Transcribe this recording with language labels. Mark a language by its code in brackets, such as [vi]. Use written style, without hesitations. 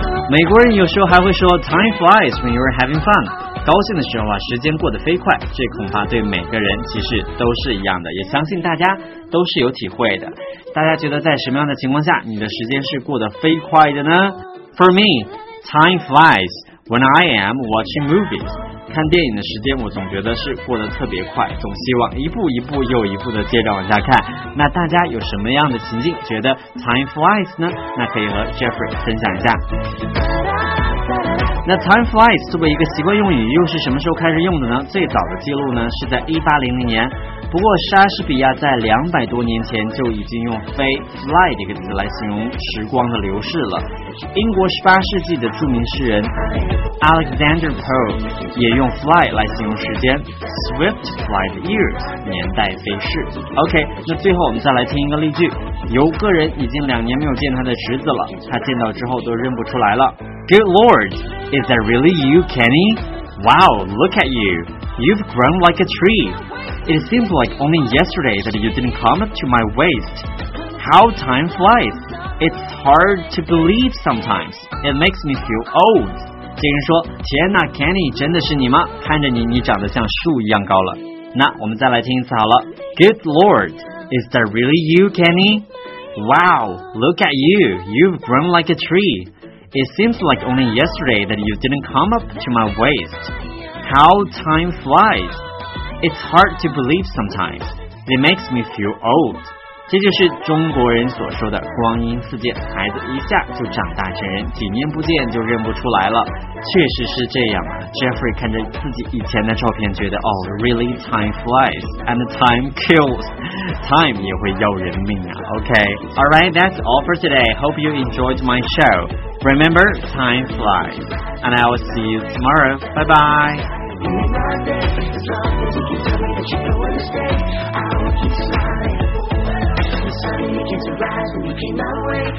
[zh] 美国人有时候还会说 [en] time flies when you're having fun. [zh] 高兴的时候啊，时间过得飞快。这恐怕对每个人其实都是一样的，也相信大家都是有体会的。大家觉得在什么样的情况下，你的时间是过得飞快的呢？ [en] For me, time flies. When I am watching movies, [zh] 看电影的时间我总觉得是过得特别快，总希望一步一步又一步的接着往下看。那大家有什么样的情境觉得 time flies 呢？那可以和 Jeffrey 分享一下。那 time flies 作为一个习惯用语，又是什么时候开始用的呢？最早的记录呢，是在1800年。不过莎士比亚在200多年前就已经用 fly 这个词来形容时光的流逝了。英国18世纪的著名诗人 Alexander Pope 也用 fly 来形容时间， [en] swift flight years， [zh] 年代飞逝。 OK， 那最后我们再来听一个例句。有个人已经2年没有见他的侄子了，他见到之后都认不出来了。 [en] Good Lord, is that really you, Kenny? Wow, look at you. You've grown like a tree. It seems like only yesterday that you didn't come up to my waist. How time flies. It's hard to believe sometimes. It makes me feel old. [zh] 这人说，天哪 Kenny, 真的是你吗？看着你，你长得像树一样高了。那我们再来听一次好了。 [en] Good Lord, is that really you, Kenny? Wow, look at you. You've grown like a tree. It seems like only yesterday that you didn't come up to my waist. How time flies. It's hard to believe sometimes. It makes me feel old. [zh] 这就是中国人所说的光阴似箭，孩子一下就长大成人，几年不见就认不出来了。确实是这样啊。 Jeffrey 看着自己以前的照片觉得，哦， [en] really time flies and time kills. [zh] Time 也会要人命啊。 [en] OK. Alright, that's all for today. Hope you enjoyed my show. Remember, time flies. And I will see you tomorrow. Bye bye. And then my day, it's wrong, but you keep telling me that you don't want to stay. I will keep smiling. The sun begins to rise when you came my way.